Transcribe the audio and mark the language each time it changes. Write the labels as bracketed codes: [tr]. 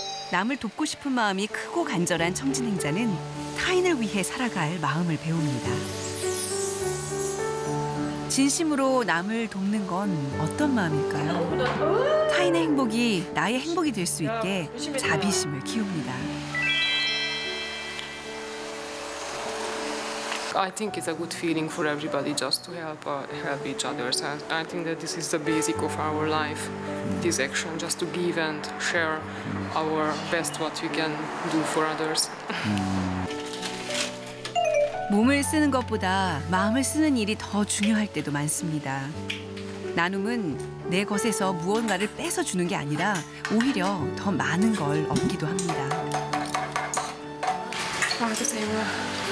[ko] 남을 돕고 싶은 마음이 크고 간절한 청진행자는 타인을 위해 살아갈 마음을 배웁니다. 진심으로 남을 돕는 건 어떤 마음일까요? 타인의 행복이 나의 행복이 될 수 있게 자비심을 키웁니다. [en] I think it's a good feeling for everybody just to help each other. So I think that this is the basic of our life, this action, just to give and share our best what we can do for others. [ko] 몸을 쓰는 것보다 마음을 쓰는 일이 더 중요할 때도 많습니다. 나눔은 내 것에서 무언가를 뺏어 주는 게 아니라 오히려 더 많은 걸 얻기도 합니다. 감사합니다.